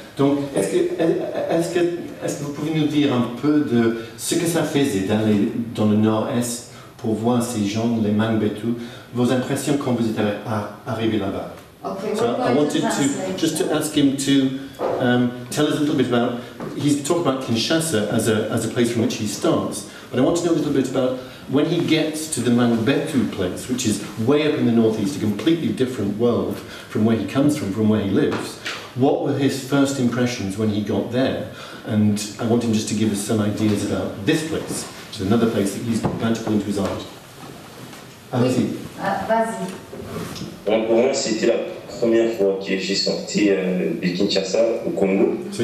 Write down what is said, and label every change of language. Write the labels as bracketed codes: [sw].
[fr] Donc, est-ce que vous pouvez nous dire un peu de ce que ça faisait d'aller dans le nord-est pour voir ces gens, les Mangbetu, vos impressions quand vous êtes arrivé là-bas? [en] Okay, so I wanted to just to ask him to tell us a little bit about. He's talking about Kinshasa as a place from which he starts, but I want to know a little bit about when he gets to the Mangbetu place, which is way up in the northeast, a completely different world from where he comes from where he lives. What were his first impressions when he got there? And I want him just to give us some ideas about this place, which is another place that he's about to pull into his art. [fr] Allez-y. Vas-y. Donc pour moi, c'était la première fois que j'ai sorti de Kinshasa au Congo.